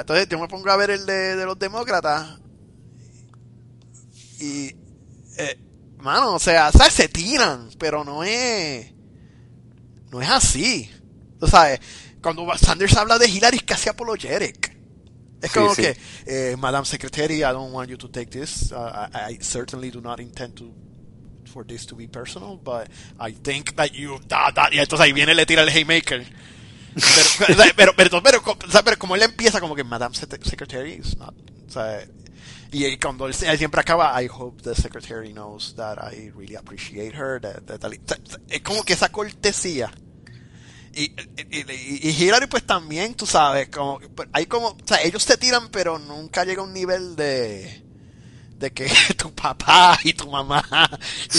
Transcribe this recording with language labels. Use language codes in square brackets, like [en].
[es] entonces yo me pongo a ver el de los demócratas. Y... mano, o sea, ¿sabes? Se tiran. Pero no es... no es así. Tú sabes, cuando Sanders habla de Hillary es casi apologetic. Es como sí, sí. Que, Madam Secretary, I don't want you to take this. [en] I certainly do not intend to for this to be personal, but I think that you... [es] Y entonces ahí viene, le tira el haymaker. Pero como él empieza, como que, Madam Secretary, it's not... O sea, y cuando él siempre acaba, I hope the secretary knows that I really appreciate her. Es como que esa cortesía... Y Hillary pues también, tú sabes, como hay como, o sea, ellos te tiran pero nunca llega a un nivel de que tu papá y tu mamá y